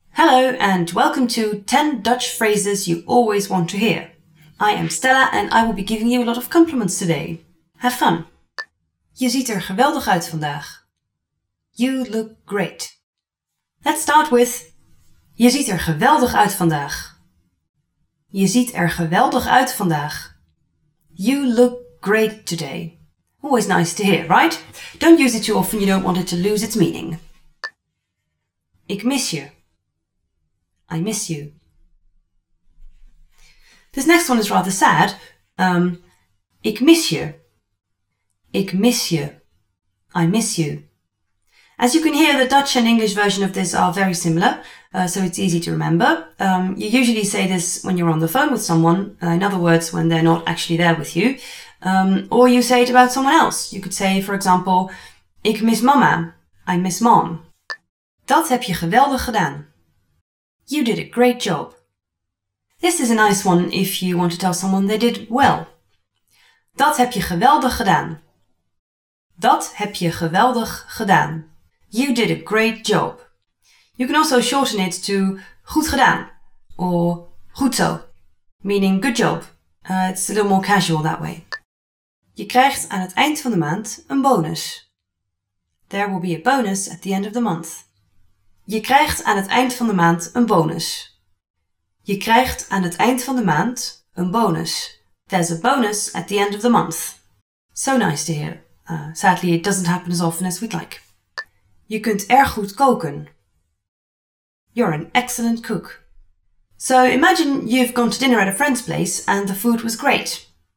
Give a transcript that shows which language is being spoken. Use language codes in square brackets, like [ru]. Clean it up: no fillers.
[en] Hello and welcome to 10 Dutch phrases you always want to hear. I am Stella and I will be giving you a lot of compliments today. Have fun! [nl] Je ziet er geweldig uit vandaag. [en] You look great. Let's start with [nl] Je ziet er geweldig uit vandaag. Je ziet er geweldig uit vandaag. [en] You look great today. Always nice to hear, right? Don't use it too often, you don't want it to lose its meaning. [nl] Ik mis je. [en] I miss you. This next one is rather sad. [nl] Ik mis je. Ik mis je. [en] I miss you. As you can hear, the Dutch and English version of this are very similar, so it's easy to remember. You usually say this when you're on the phone with someone, in other words, when they're not actually there with you. Or you say it about someone else. You could say, for example, [nl] Ik mis mama. [en] I miss mom. [nl] Dat heb je geweldig gedaan. [en] You did a great job. This is a nice one if you want to tell someone they did well. [nl] Dat heb je geweldig gedaan. Dat heb je geweldig gedaan. [en] You did a great job. You can also shorten it to [nl] goed gedaan [en] or [nl] goed zo, [en] meaning good job. It's a little more casual that way. [nl] Je krijgt aan het eind van de maand een bonus. [en] There will be a bonus at the end of the month. [nl] Je krijgt aan het eind van de maand een bonus. Je krijgt aan het eind van de maand een bonus. [en] There's a bonus at the end of the month. So nice to hear. Sadly, it doesn't happen as often as we'd like. [nl] Je kunt erg goed koken. [en] You're an excellent cook. So imagine you've gone to dinner at a friend's place and the food was great.